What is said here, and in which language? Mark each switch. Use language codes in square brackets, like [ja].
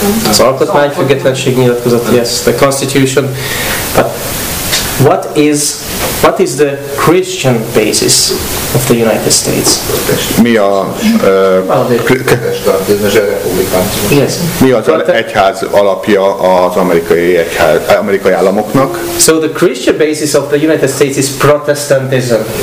[hu] Az alkotmány függetlenség nyilatkozat, [en] yes, the constitution. But what is the Christian basis of the United States? [hu] Mi a egyház alapja az amerikai államoknak? [en] So the Christian basis of the United States is Protestantism.